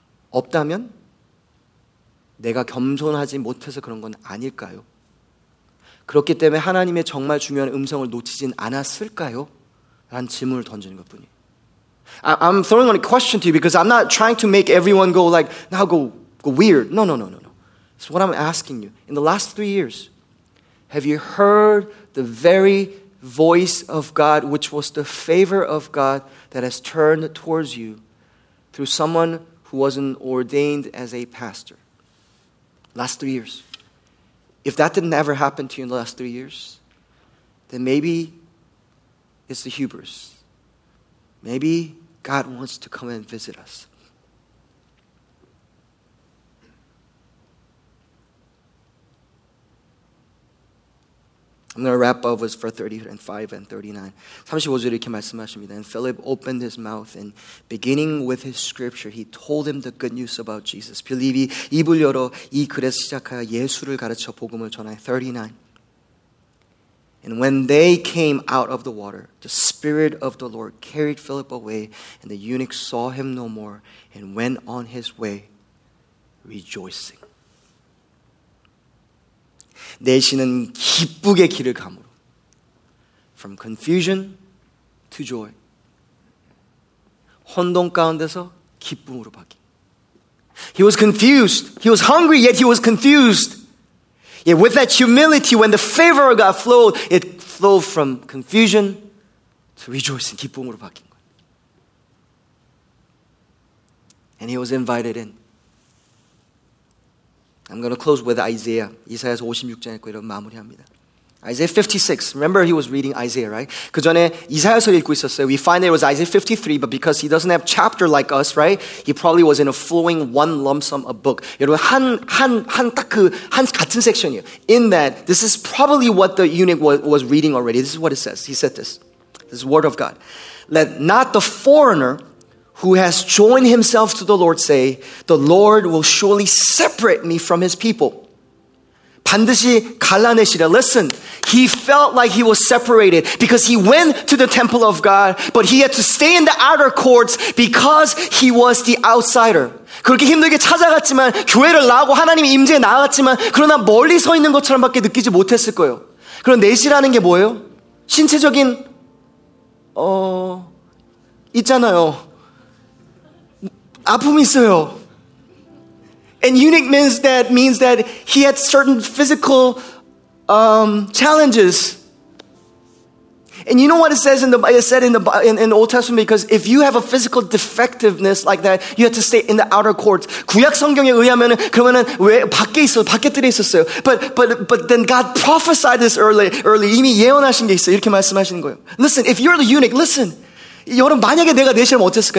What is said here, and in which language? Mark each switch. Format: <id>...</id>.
<ko>없다면 내가 겸손하지 못해서 그런 건 아닐까요? 그렇기 때문에 하나님의 정말 중요한 음성을 놓치진 않았을까요? 라는 질문을 던지는 것뿐이.</ko> <en>I'm throwing on a question to you because I'm not trying to make everyone go like, now go weird. No. So what I'm asking you, in the last 3 years, have you heard the very voice of God, which was the favor of God that has turned towards you through someone who wasn't ordained as a pastor? Last 3 years. If that didn't ever happen to you in the last 3 years, then maybe it's the hubris. Maybe God wants to come and visit us. I'm going to wrap up with verse 35 and 39.</en> <ko>35절 이렇게 말씀하십니다.</ko> <en>And Philip opened his mouth and beginning with his scripture, he told him the good news about Jesus.</en> <ko>빌립이 입을 열어 이 글에서 시작하여 예수를 가르쳐 복음을 전하여 39.</ko> <en>And when they came out of the water, the Spirit of the Lord carried Philip away and the eunuch saw him no more and went on his way rejoicing.</en> <ko>내신은 기쁘게 길을 감으로</ko> <en>From confusion to joy</en> <ko>혼동 가운데서 기쁨으로 바뀐</ko> <en>He was confused He was hungry yet he was confused Yet with that humility when the favor of God flowed It flowed from confusion to rejoicing</en> <ko>기쁨으로 바뀐 거야</ko> <en>And he was invited in I'm going to close with Isaiah.</en> <ko>이사야서 56장 읽고 이런 마무리합니다.</ko> <en>Isaiah 56. Remember he was reading Isaiah, right?</en> <ko>그 전에 이사야서 읽고 있었어요.</ko> <en>We find that it was Isaiah 53, but because he doesn't have chapter like us, right? He probably was in a flowing one lump sum of book.</en> <ko>여러분 한 같은 섹션이에요.</ko> <en>In that, this is probably what the eunuch was reading already. This is what it says. He said this. This is word of God. Let not the foreigner who has joined himself to the Lord say, the Lord will surely separate me from his people.</en> <ko>반드시 갈라내시라.</ko> <en>Listen, he felt like he was separated because he went to the temple of God, but he had to stay in the outer courts because he was the outsider.</en> <ko>그렇게 힘들게 찾아갔지만, 교회를 나오고 하나님의 임재에 나갔지만, 그러나 멀리 서 있는 것처럼밖에 느끼지 못했을 거예요. 그럼 내시라는 게 뭐예요? 신체적인, 있잖아요. 아픔이 있어요.</ko> <en>And eunuch means that he had certain physical challenges. And you know what it says in the it said in the Old Testament because if you have a physical defectiveness like that, you have to stay in the outer courts.</en> <ko>구약 성경에 의하면 그러면은 왜 밖에 있어요? 밖에 들어 있었어요.</ko> <en>But then God prophesied this early.</en> <ko>이미 예언하신 게 있어요. 이렇게 말씀하시는 거예요.</ko> <en>Listen, if you're the eunuch, listen.</en> <ko>여러분 만약에 내가 내시라면 어땠을까?</ko>